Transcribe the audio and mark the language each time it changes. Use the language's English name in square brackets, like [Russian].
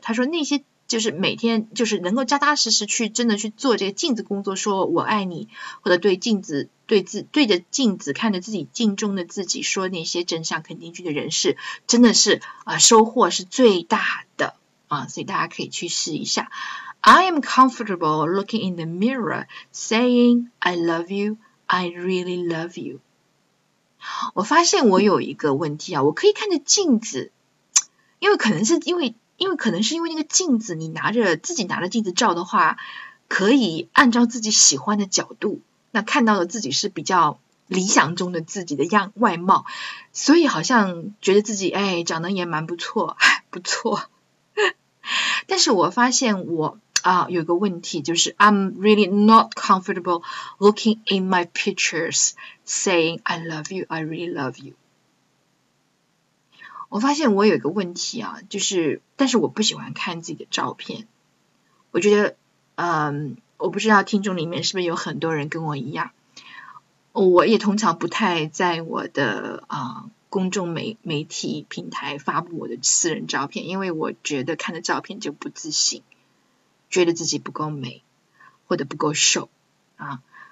[Chinese] 她说那些就是每天就是能够扎扎实实去真的去做这个镜子工作，说我爱你，或者对镜子对着镜子看着自己镜中的自己说那些真相肯定句的人士，真的是收获是最大的啊。所以大家可以去试一下。 [English] I am comfortable looking in the mirror, saying, I love you, I really love you. [Chinese] 我发现我有一个问题啊，我可以看着镜子，因为可能是因为那个镜子，自己拿着镜子照的话，可以按照自己喜欢的角度，那看到的自己是比较理想中的自己的外貌，所以好像觉得自己，哎，长得也蛮不错，不错。但是我发现我有个问题，就是 [English] I'm really not comfortable looking in my pictures saying I love you, [Chinese] I really love you。我发现我有一个问题啊，就是但是我不喜欢看自己的照片。我觉得我不知道听众里面是不是有很多人跟我一样，我也通常不太在我的公众媒体平台发布我的私人照片，因为我觉得看着照片就不自信，觉得自己不够美或者不够瘦啊。